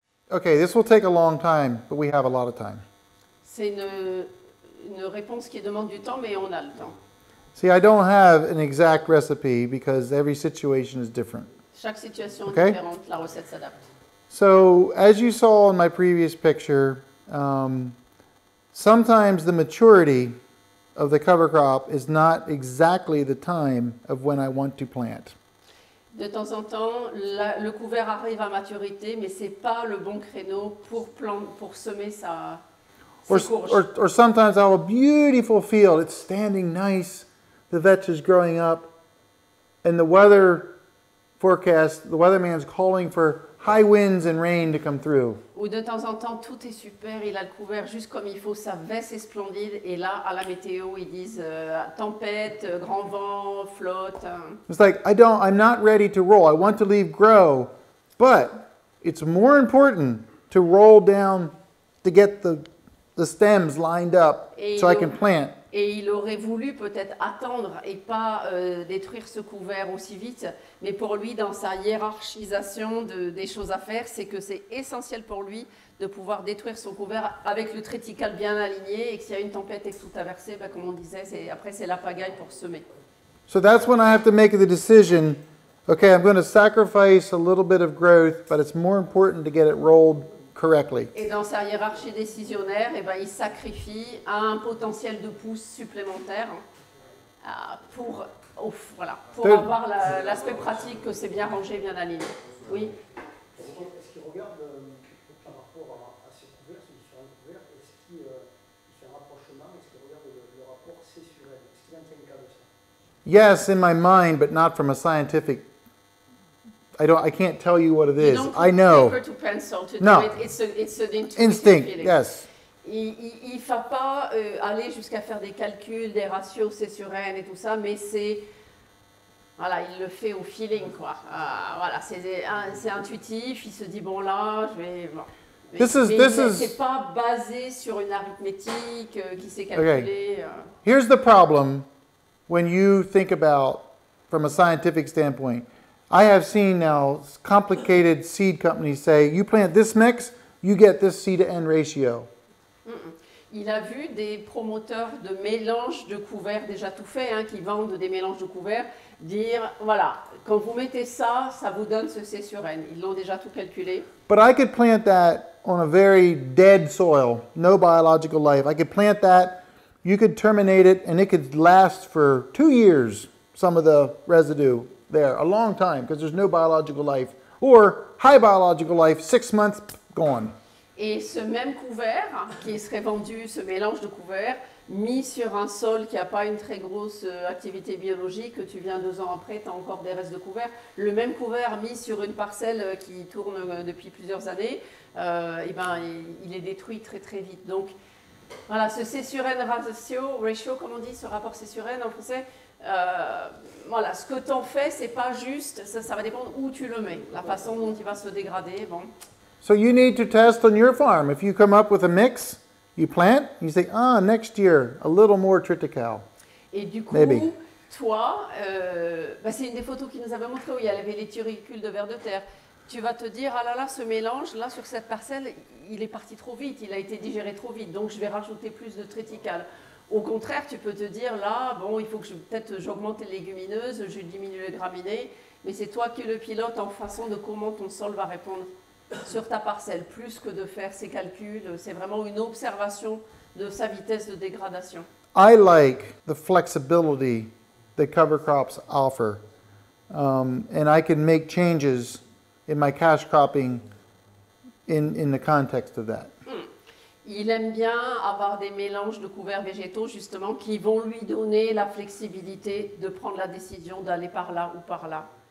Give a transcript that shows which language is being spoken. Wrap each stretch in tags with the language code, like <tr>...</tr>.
<en>Okay, this will take a long time, but we have a lot of time.</en> <fr>C'est une réponse qui demande du temps, mais on a le temps.</fr> <en>See, I don't have an exact recipe because every situation is different.</en> <fr>Chaque situation okay? est différente, la recette s'adapte.</fr> <en>So, as you saw in my previous picture, sometimes the maturity of the cover crop is not exactly the time of when I want to plant.</en> <fr>De temps en temps, le couvert arrive à maturité, mais c'est pas le bon créneau pour semer sa courge.</fr> <en>Or sometimes I have a beautiful field, it's standing nice, the vetch is growing up, and the weather forecast, the weatherman's calling for high winds and rain to come through.</en> <fr>Ou de temps en temps, tout est super, il a le couvert juste comme il faut, sa veste est splendide, et là, à la météo, ils disent tempête, grand vent, flotte.</fr> <en>It's like, I'm not ready to roll, I want to leave grow, but it's more important to roll down to get the stems lined up so I can plant.</en> <fr>Et il aurait voulu peut-être attendre et pas détruire ce couvert aussi vite. Mais pour lui, dans sa hiérarchisation des choses à faire, c'est que c'est essentiel pour lui de pouvoir détruire son couvert avec le triticale bien aligné et que s'il y a une tempête et que tout a versé, ben, comme on disait, c'est la pagaille pour semer.</fr> <en>So that's when I have to make the decision, okay, I'm going to sacrifice a little bit of growth, but it's more important to get it rolled correctly.</en> <fr>Et dans sa hiérarchie décisionnaire, et ben, il sacrifie un potentiel de pousse supplémentaire pour avoir l'aspect pratique que c'est bien rangé, bien aligné. Oui. Est-ce qu'il regarde par rapport à ses couverts, ses différents couverts, est-ce qu'il fait un rapprochement, est-ce qu'il regarde le rapport sessuel, est-ce qu'il intègre ça?</fr> <en>Yes, in my mind, but not from a scientific. I can't tell you what it is. You don't put Paper to pencil to no. do it. It's an intuitive instinct. Feeling. Yes.</en> <fr>Il ne va pas aller jusqu'à faire des calculs, des ratios, c'est sur N et tout ça, mais c'est. Voilà, il le fait au feeling, quoi. Voilà, c'est intuitif. Il se dit, bon, là, je vais. Bon. Ce n'est pas basé sur une arithmétique qui s'est calculée.</fr> <en>Okay. Here's the problem when you think about from a scientific standpoint. I have seen now complicated seed companies say, you plant this mix, you get this C to N ratio. Mm-mm.</en> <fr>Il a vu des promoteurs de mélanges de couverts déjà tout faits, hein, qui vendent des mélanges de couverts, dire, voilà, quand vous mettez ça, ça vous donne ce C sur N. Ils l'ont déjà tout calculé.</fr> <en>But I could plant that on a very dead soil, no biological life. I could plant that, you could terminate it, and it could last for 2 years, some of the residue there, a long time, because there's no biological life. Or high biological life, 6 months, gone.</en> <fr>Et ce même couvert qui serait vendu, ce mélange de couverts, mis sur un sol qui n'a pas une très grosse activité biologique, que tu viens 2 ans après, tu as encore des restes de couverts. Le même couvert mis sur une parcelle qui tourne depuis plusieurs années, et ben, il est détruit très très vite. Donc voilà, ce C sur N ratio, comme on dit, ce rapport C sur N en français, voilà, ce que tu en fais, ce n'est pas juste, ça va dépendre où tu le mets, la façon dont il va se dégrader. Bon.</fr> <en>So you need to test on your farm. If you come up with a mix, you plant, you say, ah, next year, a little more triticale.</en> <fr>Et du coup,</fr> <en>maybe.</en> <fr>Toi, bah c'est une des photos qu'il nous avait montré où il y avait les turricules de vers de terre. Tu vas te dire, ah là là, ce mélange, là, sur cette parcelle, il est parti trop vite, il a été digéré trop vite, donc je vais rajouter plus de triticale. Au contraire, tu peux te dire, là, bon, il faut que peut-être j'augmente les légumineuses, je diminue les graminées, mais c'est toi qui le pilote en façon de comment ton sol va répondre sur ta parcelle, plus que de faire ses calculs, c'est vraiment une observation de sa vitesse de dégradation.</fr> <en>I like the flexibility that cover crops offer. And I can make changes in my cash cropping in the context of that.</en> <fr>Il aime bien avoir des mélanges de couverts végétaux, justement, qui vont lui donner la flexibilité de prendre la décision d'aller par là ou par là.</fr>